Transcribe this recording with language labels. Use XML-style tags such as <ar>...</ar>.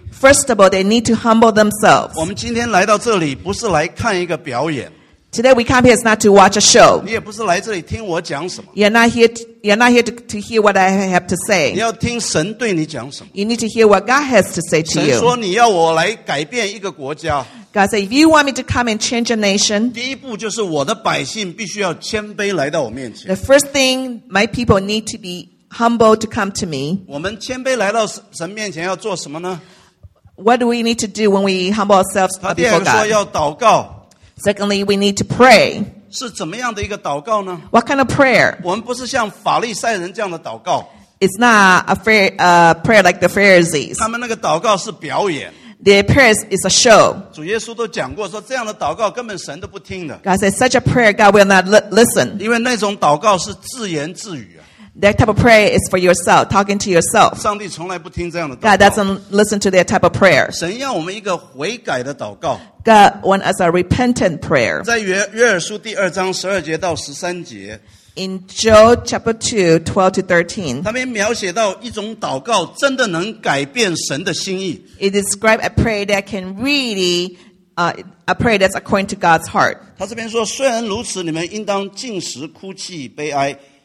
<en>First of all, they need to humble themselves.</en> <zh>我们今天来到这里不是来看一个表演。</zh> <en>Today we come here is not to watch a show.</en> <zh>你也不是来这里听我讲什么。</zh> <en>You're not here to hear what I have to say.</en> <zh>你要听神对你讲什么。</zh> <en>You need to hear what God has to say to you.</en> <zh>神说你要我来改变一个国家。</zh> <en>God said, if you want me to come and change a nation,</en> <zh>第一步就是我的百姓必须要谦卑来到我面前。</zh> <en>The first thing my people need to be humble to come to me.</en> <zh>我们谦卑来到神面前要做什么呢？</zh> <en>What do we need to do when we humble ourselves before God?</en> <zh>他第二个说要祷告。</zh> <en>Secondly, we need to pray.</en> <zh>是怎么样的一个祷告呢？</zh> <en>What kind of prayer?</en> <zh>我们不是像法利赛人这样的祷告。</zh> <en>It's not a prayer like the Pharisees.</en> <zh>他们那个祷告是表演。</zh> <en>Their prayer is a show.</en> <zh>主耶稣都讲过说这样的祷告根本神都不听的。</zh> <en>God said, such a prayer God will not listen.</en> <zh>因为那种祷告是自言自语。</zh> <en>That type of prayer is for yourself, talking to yourself.</en> <zh>上帝从来不听这样的祷告。</zh> <en>God doesn't listen to that type of prayer.</en> <zh>神要我们一个悔改的祷告。</zh> <en>God wants us a repentant prayer.</en> <zh>在约珥书第二章12节到13节。</zh> <en>In Joel chapter 2, 12 to 13.</en> <zh>他们描写到一种祷告真的能改变神的心意。</zh> <en>It describes a prayer that can really, a prayer that's according to God's heart.</en> <zh>他这边说，虽然如此，你们应当禁食、哭泣、悲哀。</zh>